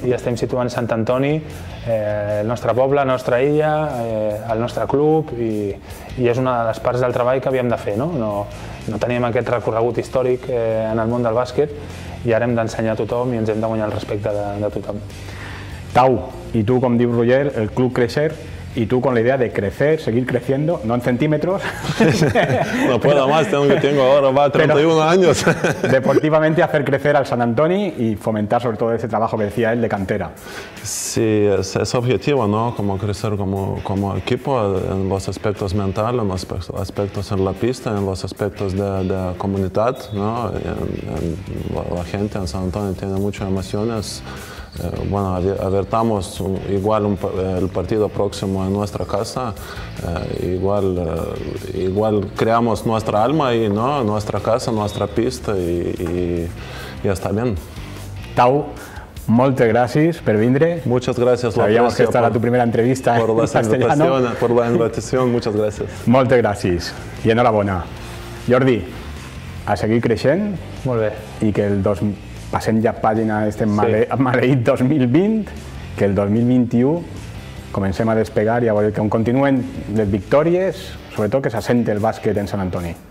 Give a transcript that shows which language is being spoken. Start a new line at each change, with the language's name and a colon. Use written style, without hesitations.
Catalan: I estem situant Sant Antoni, el nostre poble, la nostra illa, el nostre club, i és una de les parts del treball que havíem de fer, no? No teníem aquest recorregut històric en el món del bàsquet, i ara hem d'ensenyar a tothom i ens hem de guanyar el respecte de tothom. Tau, i tu, com diu Roger, el club creixer,
Spanish: y tú con la idea de crecer, seguir creciendo, no en centímetros. No puedo más, tengo ahora más 31 años. Deportivamente hacer crecer al San Antoni y fomentar sobre todo ese trabajo que decía él de cantera. Sí, es objetivo, ¿no? Como crecer como equipo en los aspectos mentales, en los aspectos en la pista, en los aspectos de comunidad, ¿no? La gente en San Antoni tiene muchas emociones. Bueno, abertamos igual el partido próximo en nuestra casa, igual creamos nuestra alma y no nuestra casa, nuestra pista y está bien.
Catalan: Tau, moltes gràcies per vindre.
Spanish: Muchas gracias. Sabíamos que esta era tu primera entrevista. Por la invitación, muchas gracias.
Catalan: Moltes gràcies i enhorabona. Jordi, a seguir creixent. Molt bé. I que el passem ja pàgina d'aquest maleït 2020, que el 2021 comencem a despegar i a veure com continuen les victòries, sobretot que s'assenta el bàsquet en Sant Antoni.